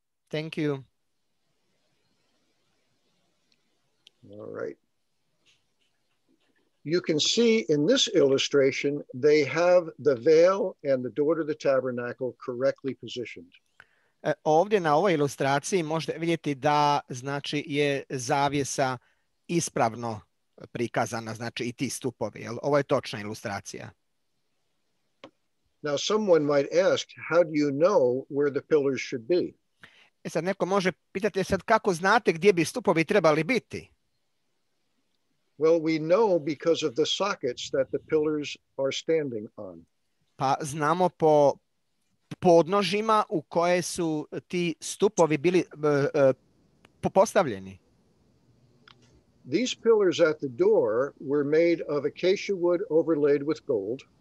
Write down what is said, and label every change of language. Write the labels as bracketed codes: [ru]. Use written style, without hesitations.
[en] Thank you. All right. You can see in this illustration they have the veil and the door to the tabernacle correctly positioned. [hr] Ovdje na ovoj ilustraciji možete vidjeti da znači je zavjesa ispravno prikazana, znači i ti stupovi. Jel? Ovo je točna ilustracija. [en] Now someone might ask, how do you know where the pillars should be? [hr] E sad neko može pitati, sad kako znate gdje bi stupovi trebali biti? [en] Well, we know because of the sockets that the pillars are standing on. [hr] Pa znamo po podnožima u koje su ti stupovi bili postavljeni. [en] These pillars at the door were made of acacia wood overlaid with gold.